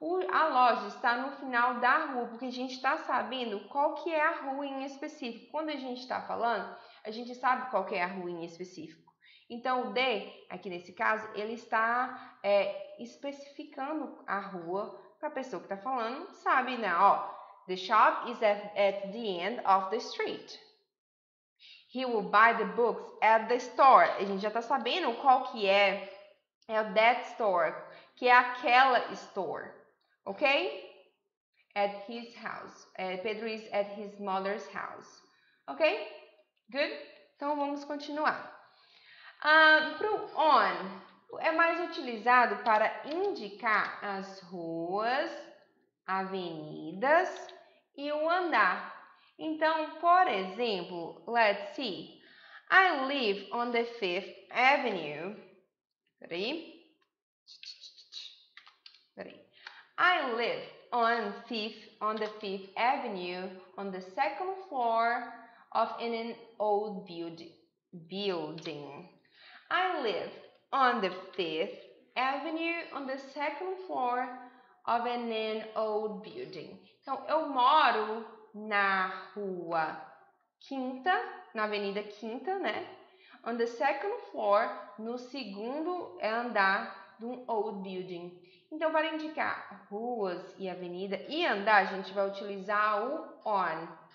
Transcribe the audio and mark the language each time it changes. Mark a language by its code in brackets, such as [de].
[pt] A loja está no final da rua, porque a gente está sabendo qual que é a rua em específico. Quando a gente está falando, a gente sabe qual que é a rua em específico. Então, o D, aqui nesse caso, ele está especificando a rua para a pessoa que está falando, sabe, né? [en] Ó, the shop is at the end of the street. He will buy the books at the store. [pt] A gente já está sabendo qual que é [en] that store, [pt] que é aquela store, ok? [en] At his house. Pedro is at his mother's house. Ok? Good? [pt] Então, vamos continuar. Para o on, é mais utilizado para indicar as ruas, avenidas e o andar. Então, por exemplo, [en] let's see. I live on the Fifth Avenue. [pt] Peraí. [en] I live on the Fifth Avenue on the second floor of an old building. I live on the Fifth Avenue on the second floor of an old building. [pt] Então, eu moro na rua Quinta, na Avenida Quinta, né? [en] On the second floor, [pt] no segundo andar de um [en] old building. [pt] Então, para indicar ruas e avenida e andar, a gente vai utilizar o on.